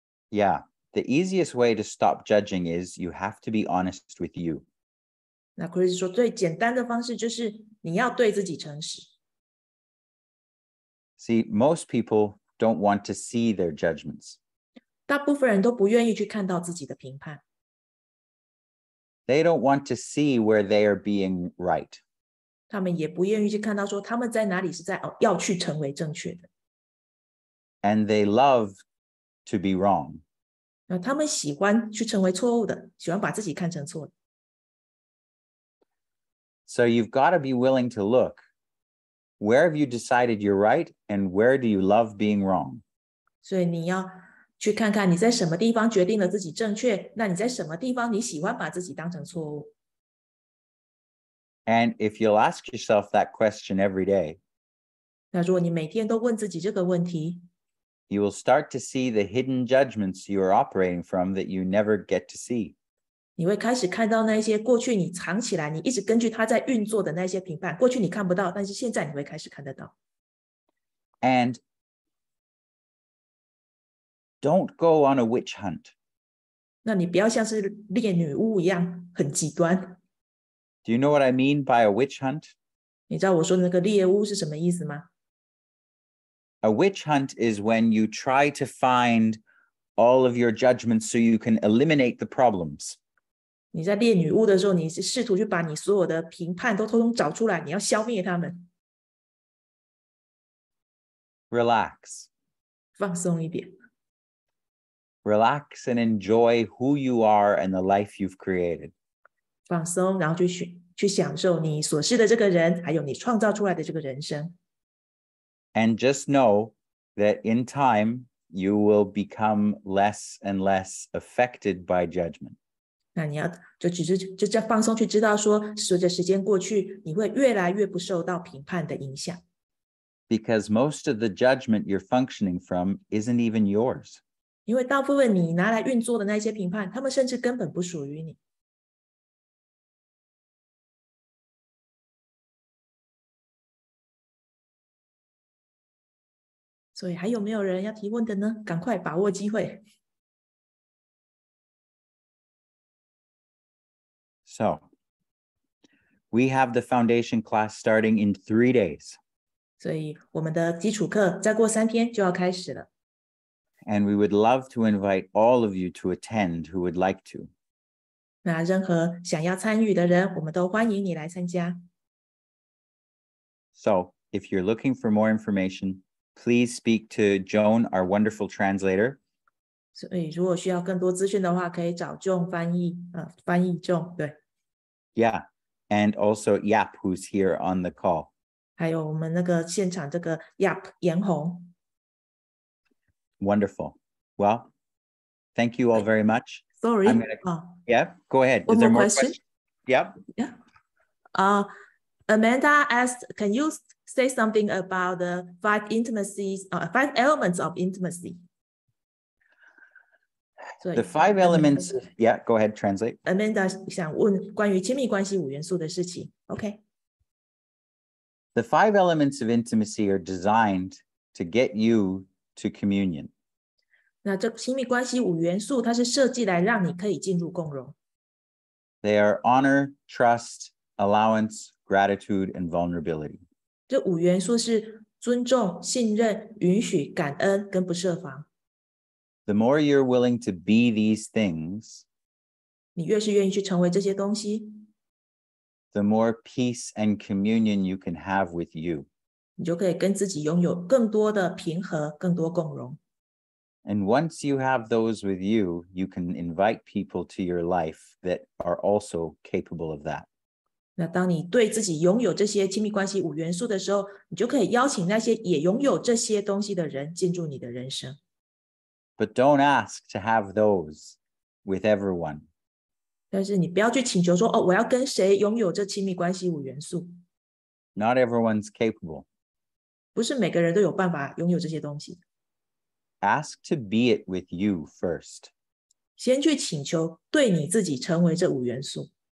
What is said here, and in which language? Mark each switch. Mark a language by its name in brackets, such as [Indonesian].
[English] Yeah, the easiest way to stop judging is you have to be honest with you. [Chinese] 那 Chris 说最简单的方式就是你要对自己诚实。 [English] See, most people don't want to see their judgments. [Chinese] 大部分人都不愿意去看到自己的评判。 [English] They don't want to see where they are being right. [Chinese] 他们也不愿意去看到说他们在哪里是在要去成为正确的。 [English] And they love to be wrong. [Chinese] 他们喜欢去成为错误的，喜欢把自己看成错的。 [English] So you've got to be willing to look. Where have you decided you're right, and where do you love being wrong? [Chinese] 所以你要去看看你在什么地方决定了自己正确，那你在什么地方你喜欢把自己当成错误。 [English] And if you'll ask yourself that question every day, [Chinese] 那如果你每天都问自己这个问题, [English] you will start to see the hidden judgments you are operating from that you never get to see. [Chinese] 你会开始看到那些过去你藏起来，你一直根据它在运作的那些评判，过去你看不到，但是现在你会开始看得到。 [English] And don't go on a witch hunt. [Chinese] 那你不要像是猎女巫一样，很极端。 [English] Do you know what I mean by a witch hunt? [Chinese] 你知道我说的那个猎巫是什么意思吗? [English] A witch hunt is when you try to find all of your judgments so you can eliminate the problems. [Chinese] 你在猎女巫的时候，你是试图去把你所有的评判都通通找出来，你要消灭他们。 [English] Relax. [Chinese] 放松一点。 [English] Relax and enjoy who you are and the life you've created. [Chinese] 放松，然后去享受你所示的这个人，还有你创造出来的这个人生。 [English] And just know that in time, you will become less and less affected by judgment. [Chinese] 那你要就放松去知道说，随着时间过去，你会越来越不受到评判的影响。 [English] Because most of the judgment you're functioning from isn't even yours. [Chinese] 因为大部分你拿来运作的那些评判，他们甚至根本不属于你。所以还有没有人要提问的呢？赶快把握机会。 [English] So, we have the foundation class starting in 3 days. [Chinese] 所以我们的基础课再过三天就要开始了。 [English] And we would love to invite all of you to attend who would like to. [Chinese] 那任何想要参与的人，我们都欢迎你来参加。 [English] So, if you're looking for more information, please speak to Joan, our wonderful translator. [Chinese] 所以如果需要更多资讯的话，可以找 Joan 翻译，翻译 Joan, 对。 [English] Yeah, and also Yap, who's here on the call. [Chinese] 还有我们那个现场这个 Yap, 颜红。 [English] Wonderful. Well, thank you all very much. Sorry. Go ahead. Is there more questions? Amanda asked, can you say something about the five elements of intimacy? The five elements, go ahead, translate. [Chinese] Amanda 想问关于亲密关系五元素的事情.Okay. [English] The five elements of intimacy are designed to get you to communion. [Chinese] 那这亲密关系五元素，它是设计来让你可以进入共融。 [English] They are honor, trust, allowance, gratitude, and vulnerability. [Chinese] 这五元素是尊重、信任、允许、感恩跟不设防。 [English] The more you're willing to be these things, [Chinese] 你越是愿意去成为这些东西， [English] the more peace and communion you can have with you. [Chinese] 你就可以跟自己拥有更多的平和，更多共融。 [English] And once you have those with you, you can invite people to your life that are also capable of that. [Chinese] 那当你对自己拥有这些亲密关系五元素的时候，你就可以邀请那些也拥有这些东西的人进入你的人生。 [English] But don't ask to have those with everyone. [Chinese] 但是你不要去请求说，哦，我要跟谁拥有这亲密关系五元素。 [English] Not everyone's capable. [Chinese] 不是每个人都有办法拥有这些东西。 [English] Ask to be it with you first. [Chinese] 先去请求对你自己成为这五元素。